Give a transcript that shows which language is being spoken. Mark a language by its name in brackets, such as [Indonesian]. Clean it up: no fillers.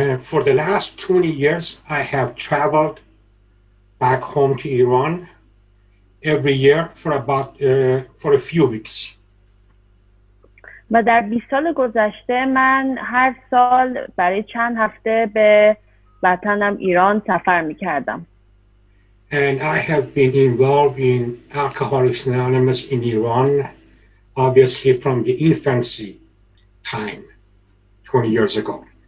[English] For the last 20 years I have traveled back home to Iran every year for a few weeks. [Persian] و در 20 سال گذشته من هر سال برای چند هفته به وطنم ایران سفر می‌کردم. [English] And I have been involved in Alcoholics Anonymous in Iran, obviously from the infancy time, 20 years ago.